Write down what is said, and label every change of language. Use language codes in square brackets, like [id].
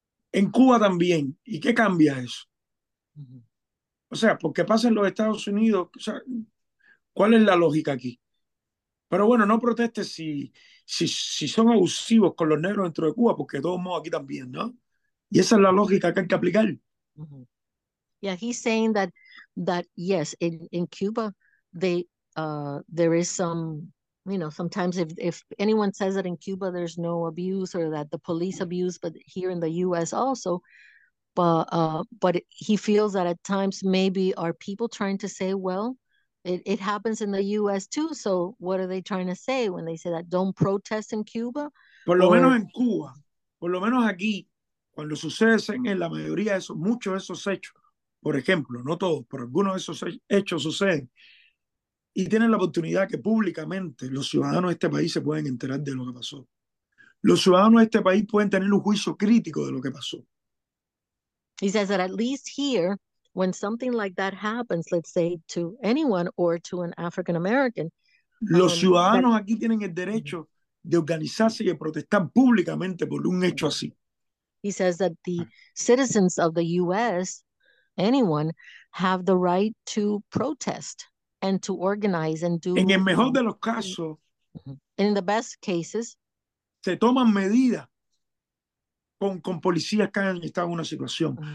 [es] En Cuba también. ¿Y qué cambia eso? O sea, porque pasa en los Estados Unidos. O sea, ¿cuál es la lógica aquí? Pero bueno, no protestes si son abusivos con los negros dentro de Cuba, porque de todos modos aquí también, ¿no? Y esa es la lógica que hay que aplicar. [en] Yeah, he's saying that yes, in Cuba, there is some, you know, sometimes if anyone says that in Cuba there's no abuse or that the police abuse, but here in the U.S. also, but he feels that at times maybe are people trying to say, well, it happens in the U.S. too, so what are they trying to say when they say that? Don't protest in Cuba? [es] Por lo menos en Cuba, por lo menos aquí, cuando suceden en la mayoría de esos, muchos de esos hechos, por ejemplo, no todos, pero algunos de esos hechos suceden, y tienen la oportunidad que públicamente los ciudadanos de este país se pueden enterar de lo que pasó. Los ciudadanos de este país pueden tener un juicio crítico de lo que pasó. [en] He says that at least here, when something like that happens, let's say to anyone or to an African American, [es] los ciudadanos aquí tienen el derecho de organizarse y de protestar públicamente por un hecho así. [en] He says that the citizens of the U.S., anyone, have the right to protest and to organize and do. [es] En el mejor de los casos, [en] in the best cases, [es] se toman medidas con policías que han estado en una situación.